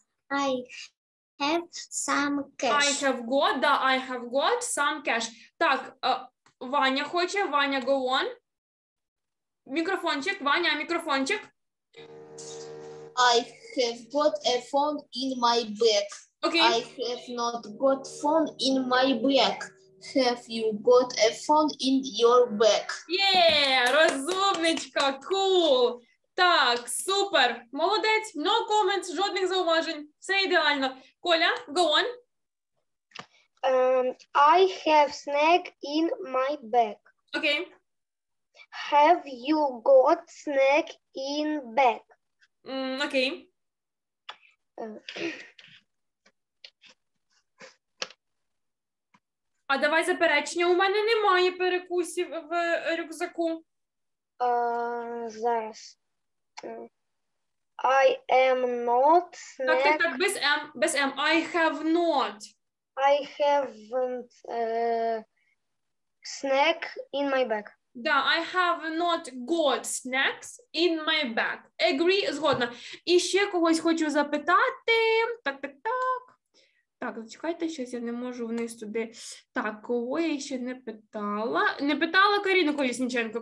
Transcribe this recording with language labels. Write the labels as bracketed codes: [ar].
[en] I have some cash. I have got some cash. [uk] Так, Ваня хоче. [en] Ваня, go on. [uk] Мікрофончик, Ваня, мікрофончик. [en] I have got a phone in my bag. Okay. I have not got phone in my bag. have you got a phone in your bag? Yeah, [uk] розумничка, [en] cool. [uk] Так, супер, молодець, [en] no comments, [uk] жодних зауважень, все ідеально. [en] Коля, go on. I have snack in my bag. Okay. Have you got snack in bag? Okay. [uk] А давай заперечення, у мене немає перекусів в рюкзаку. Зараз. [en] I am not snack. [uk] Так, так, без M, без M. [en] I have not. I haven't snack in my bag. Да, I have not got snacks in my bag. Agree, [uk] згодна. І ще когось хочу запитати. Так, так, так. Так, зачекайте, щось я не можу вниз туди. Так, кого я ще не питала? Не питала Каріну Колісніченко.